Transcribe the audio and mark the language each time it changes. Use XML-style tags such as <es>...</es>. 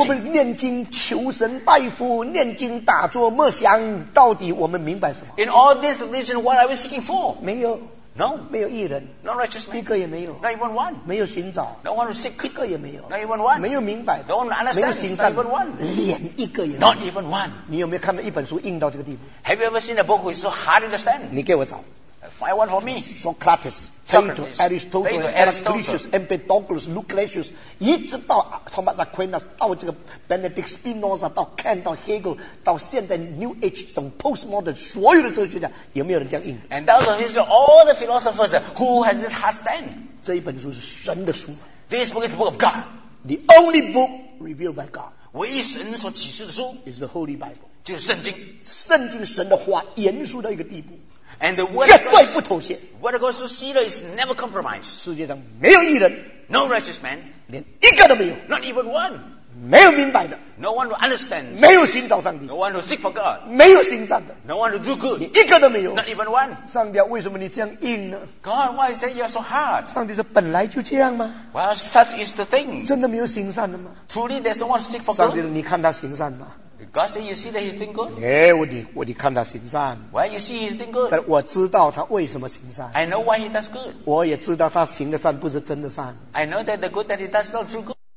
<zh>我们念经求神拜佛，念经打坐默想，到底我们明白什么？</zh> <en>In all this religion, what are we seeking for?</en> <zh>没有。</zh> <en>No,</en> <zh>没有一人</zh> <en>，no righteous man，</en> <zh>一个也没有</zh> <en>，not even one，</en> <zh>没有寻找</zh> <en>，no one will seek，</en> <zh>一个也没有</zh> <en>，not even one，</en> <zh>没有明白</zh> <en>，don't understand，</en> <zh>没有行善</zh> <en>，not even one，</en> <zh>连一个也没有</zh> <en>，not even one，</en> <zh>你有没有看到一本书硬到这个地步</zh> <en>？Have you ever seen a book which is so hard to understand？</en> <zh>你给我找</zh> <en>，find one for me。</en> <zh>Socrates, Plato, Aristotle, Heraclitus, Empedocles, Lucretius， 一直到 Thomas Aquinas， 到这个 Benedict Spinoza， 到 Kant， 到 Hegel， 到现在 New Age 等 Postmodern 所有的哲学家，有没有人这样硬</zh> <en>？And those are these all the philosophers who has this hard stand。</en> <zh>这一本书是神的书。</zh> <en>This book is a book of God. The only book revealed by God，</en> <zh>唯一神所启示的书</zh> <en>，is the Holy Bible，</en> <zh>就是圣经。圣经神的话严肃到一个地步。</zh> <en>And the word</en> <zh>绝对不妥协。</zh> <en>What God so sealed is never compromised.</en> <zh>世界上没有一人</zh> <en>，no righteous man，</en> <zh>连一个都没有</zh> <en>，not even one，</en> <zh>没有明白的</zh> <en>，no one who understands，</en> <zh>没有寻找上帝</zh> <en>，no one who seek for God，</en> <zh>没有行善的</zh> <en>，no one who do good，</en> <zh>一个都没有</zh> <en>，not even one。</en> <zh>上帝，为什么你这样硬呢</zh> <en>？God， why is that you are so hard？</en> <zh>上帝说，本来就这样吗</zh> <en>？Well, such is the thing。</en> <zh>真的没有行善的吗</zh> <en>？Truly, there's no one who seek for God。</en> <zh>上帝说，你看他行善吗？</zh> <en>God said, "You see that he's doing good."</en> <zh>哎，我得看他行善。</zh> <en>Why you see he's doing good?</en> <zh>但我知道他为什么行善。</zh> <en>I know why he does good.</en> <zh>我也知道他行的善不是真的善。</zh> <en>I know that the good that he does not true good.</en>